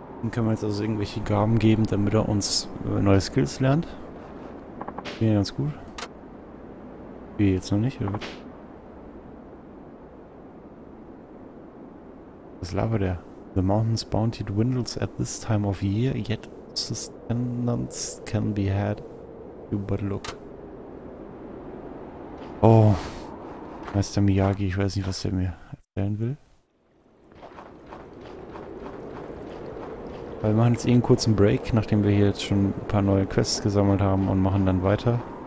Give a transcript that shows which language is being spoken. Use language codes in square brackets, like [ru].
[de] Können wir jetzt also irgendwelche Gaben geben, damit er uns neue Skills lernt? Finde ich ganz gut. Wie jetzt noch nicht, oder? Was labert er? [en] The mountain's bounty dwindles at this time of year, yet sustenance can be had. You but look. Oh. [de] Meister Miyagi, ich weiß nicht, was er mir erzählen will. Wir machen jetzt eh einen kurzen Break, nachdem wir hier jetzt schon ein paar neue Quests gesammelt haben und machen dann weiter.